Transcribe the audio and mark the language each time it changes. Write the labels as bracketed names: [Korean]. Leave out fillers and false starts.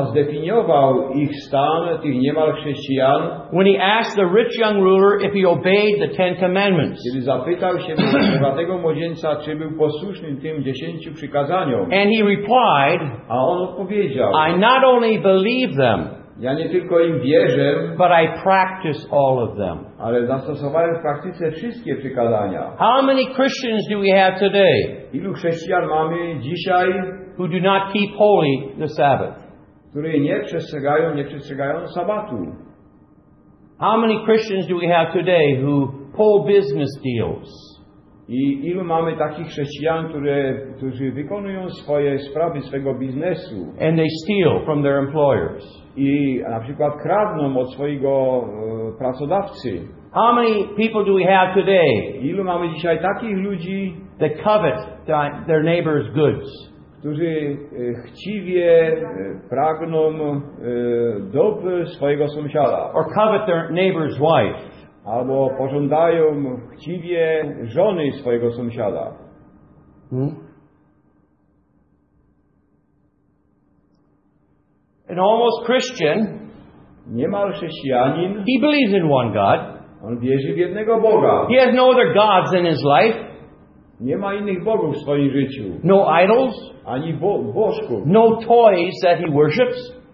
[Polish] A zdefiniował ich stan, tych niemal chrześcijan. [English] When he asked the rich young ruler if he obeyed the Ten Commandments. [Polish] Kiedy zapytał się bogatego młodzieńca, czy był posłuszny tym dziesięciu przykazaniom. [English] And he replied, [Polish] a on odpowiedział, [English] I not only believe them, [Polish] ja nie tylko im wierzę, [English] but I practice all of them. [Polish] Ale zastosowałem w praktyce wszystkie przykazania. [English] How many Christians do we have today? [Polish] Ilu chrześcijan mamy dzisiaj? [English] Who do not keep holy the Sabbath. [Polish] Które nie przestrzegają, sabatu. [English] How many Christians do we have today who pull business deals? [Polish] I ilu mamy takich chrześcijan, którzy wykonują swoje sprawy, swego biznesu. [English] And they steal from their employers. [Polish] I na przykład kradną od swojego pracodawcy. [English] How many people do we have today? [Polish] Ilu mamy dzisiaj takich ludzi, [English] that covet their neighbor's goods. [Polish] Którzy chciwie pragną dóbr swojego sąsiada. [English] Or covet their neighbor's wife. [Polish] Albo pożądają chciwie żony swojego sąsiada. [English] An almost Christian, [Polish] niemal chrześcijanin, [English] he believes in one God. [Polish] On wierzy w jednego Boga. [English] He has no other gods in his life. [Polish] Nie ma innych bogów w swoim życiu. [English] No idols. [Polish] Ani bożków. [English] No toys that he worships.